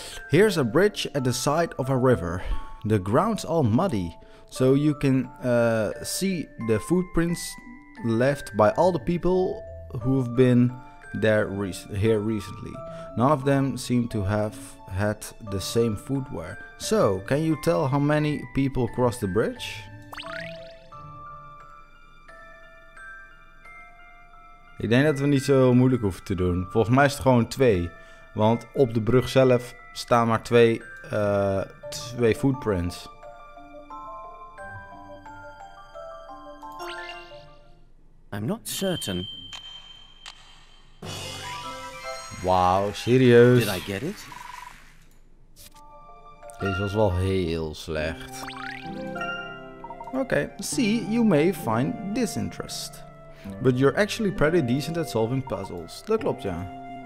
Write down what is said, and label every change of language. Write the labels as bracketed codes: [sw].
[en] Here's a bridge at the side of a river. The ground's all muddy, so you can see the footprints left by all the people who've been there recently. None of them seem to have had the same footwear. So, can you tell how many people crossed the bridge? [nl] Ik denk dat we niet zo moeilijk hoeven te doen. Volgens mij is het gewoon twee. Want op de brug zelf staan maar twee footprints. [en] I'm not certain. [nl] Wow, serieus? [en] Did I get it? [nl] Deze was wel heel slecht. [en] Okay, see, you may find this interest. But you're actually pretty decent at solving puzzles. [nl] Dat klopt, ja.